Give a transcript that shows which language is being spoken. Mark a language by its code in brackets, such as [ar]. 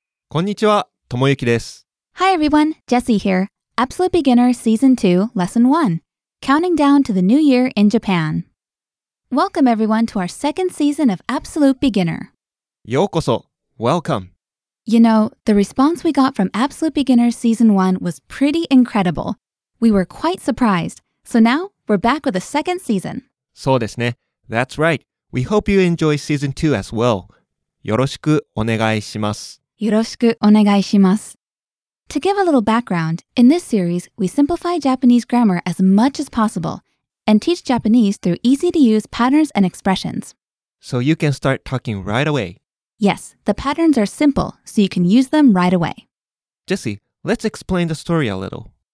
[ja] こんにちは、ともゆきです。 [en] Hi everyone, Jesse here. Absolute Beginner Season 2, Lesson 1. Counting down to the new year in Japan. Welcome everyone to our second season of Absolute Beginner. [ja] ようこそ。 [en] Welcome. You know, the response we got from Absolute Beginner Season 1 was pretty incredible. We were quite surprised. So now, we're back with the second season. [ja] そうですね。 [en] That's right. We hope you enjoy Season 2 as well. [ja] よろしくお願いします。よろしくお願いします。 [en] To give a little background, in this series, we simplify Japanese grammar as much as possible and teach Japanese through easy-to-use patterns and expressions. So you can start talking right away. Yes, the patterns are simple, so you can use them right away. Jesse, let's explain the story a little.